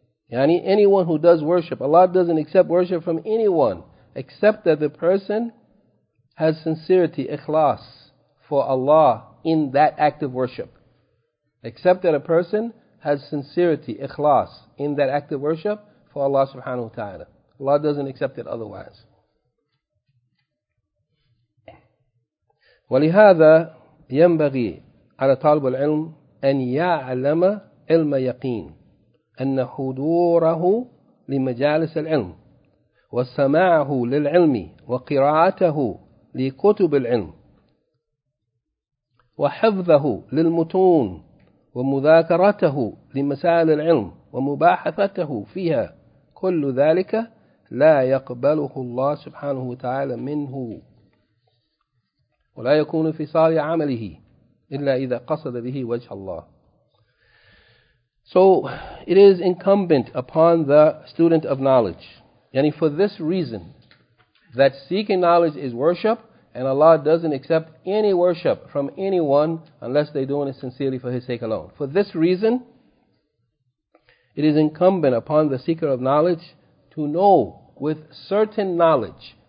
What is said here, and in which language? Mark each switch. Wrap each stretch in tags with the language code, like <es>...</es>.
<en>Anyone who does worship. Allah doesn't accept worship from anyone except that the person has sincerity, ikhlas, for Allah in that act of worship. Except that a person has sincerity, ikhlas, in that act of worship for Allah subhanahu wa ta'ala. Allah doesn't accept it otherwise.</en> <ar>ولهذا ينبغي على طالب العلم أن يعلم علم يقين أن حضوره لمجالس العلم وسماعه للعلم وقراءته لكتب العلم وحفظه للمتون ومذاكرته لمسائل العلم ومباحثته فيها كل ذلك لا يقبله الله سبحانه وتعالى منه وَلَا يَكُونُ فِي صَالِ عَمَلِهِ إِلَّا إِذَا قَصَدَ بِهِ وَجْهَ اللَّهِ.</ar> <en>So it is incumbent upon the student of knowledge. Yani for this reason, that seeking knowledge is worship, and Allah doesn't accept any worship from anyone unless they're doing it sincerely for His sake alone. For this reason, it is incumbent upon the seeker of knowledge to know with certain knowledge.</en>